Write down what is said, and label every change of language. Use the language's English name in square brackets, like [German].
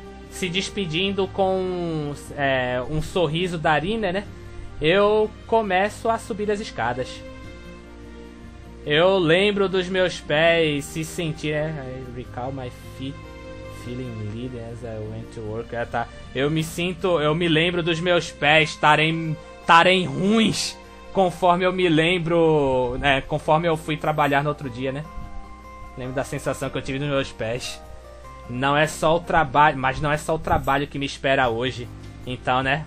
[Portuguese] Se despedindo com um sorriso da Arina, né? Eu começo a subir as escadas. Eu lembro dos meus pés se sentirem... [English] I recall my feet feeling lead as I went to work. [Portuguese] Eu me lembro dos meus pés estarem ruins conforme eu me lembro, né? Conforme eu fui trabalhar no outro dia, né? Lembro da sensação que eu tive nos meus pés. Não é só o trabalho, mas não é só o trabalho que me espera hoje. Então, né?